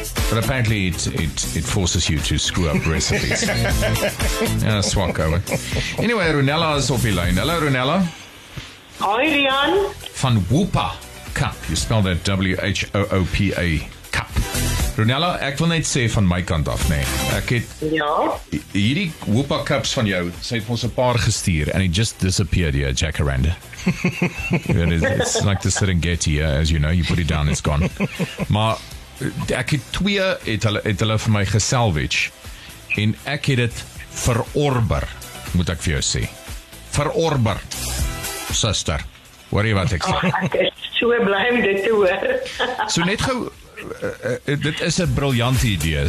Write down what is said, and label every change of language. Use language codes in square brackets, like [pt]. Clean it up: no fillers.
[en] But apparently it forces you to screw up recipes. Yeah, swak over. Anyway, Ronella is off your line. Hello, Ronella. Hi, Rian. [af] Van Whoopa Cup. [en] You spell that W-H-O-O-P-A Cup. [af] Ronella, ek wil net sê van my kant af, nee. Ek het hierdie Whoopa Cups van jou, sy het ons 'n paar gestuur, [en] and it just disappeared here, [af] Jacaranda. [en] It's like the Serengeti, as you know, you put it down, it's gone. [af] Maar ek het twee, het hulle vir my gesalvage, en ek het dit verorber, moet ek vir jou sê. Verorber, sister. Hoor jy wat ek sê? Ek is so blij om dit te hoor. So net gauw, dit is 'n briljante idee.